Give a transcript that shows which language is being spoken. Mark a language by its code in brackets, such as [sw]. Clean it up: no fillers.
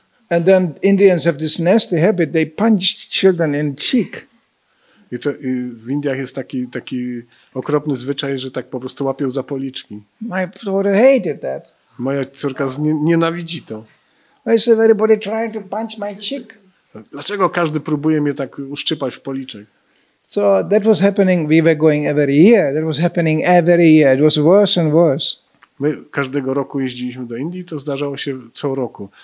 [en] And then Indians have this nasty habit, they punch children in cheek. [pl] I to, i w Indiach jest taki okropny zwyczaj, że tak po prostu łapią za policzki. [en] My daughter hated that. [pl] Moja córka nienawidzi to. [en] Why is everybody trying to punch my cheek? [pl] Dlaczego każdy próbuje mnie tak uszczypać w policzek? [en] So that was happening, we were going every year. That was happening every year. It was worse and worse. [pl] My każdego roku jeździliśmy do Indii, to zdarzało się co roku.